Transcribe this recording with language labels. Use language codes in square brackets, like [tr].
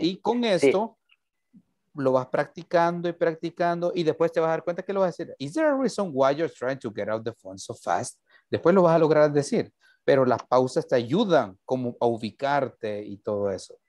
[es] Ya y con esto, sí, lo vas practicando y después te vas a dar cuenta que lo vas a decir. [en] Is there a reason why you're trying to get off the phone so fast? [es] Después lo vas a lograr decir, pero las pausas te ayudan como a ubicarte y todo eso.